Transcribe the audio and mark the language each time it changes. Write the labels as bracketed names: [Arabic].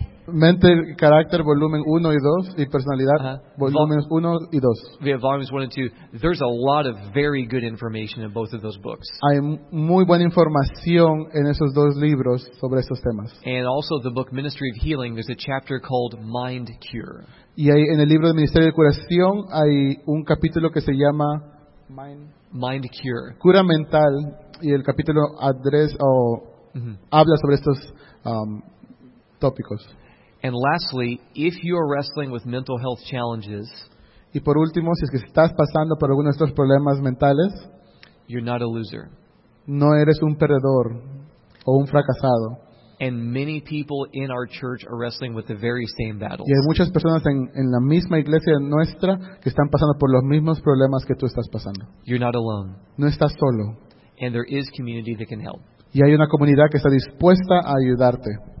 [Spanish] Mente, carácter, volumen 1 y 2, y personalidad, volumen 1 y 2. [English] We have volumes 1 and 2. There's a lot of very good information in both of those books. [Spanish] Hay muy buena información en esos dos libros sobre esos temas. [English] And also the book Ministry of Healing, there's a chapter called Mind Cure. [Spanish] Y hay, en el libro de Ministerio de Curación hay un capítulo que se llama [English] Mind Cure. [Spanish] Cura mental, y el capítulo habla sobre estos tópicos. [English] And lastly, if you are wrestling with mental health challenges, [Spanish] y por último, si es que estás pasando por alguno de estos problemas mentales, [English] you're not a loser. [Spanish] No eres un perdedor o un fracasado. [English] And many people in our church are wrestling with the very same battles. [Spanish] Y hay muchas personas en la misma iglesia nuestra que están pasando por los mismos problemas que tú estás pasando. [English] You're not alone. [Spanish] No estás solo. [English] And there is community that can help. [Spanish] Y hay una comunidad que está dispuesta a ayudarte.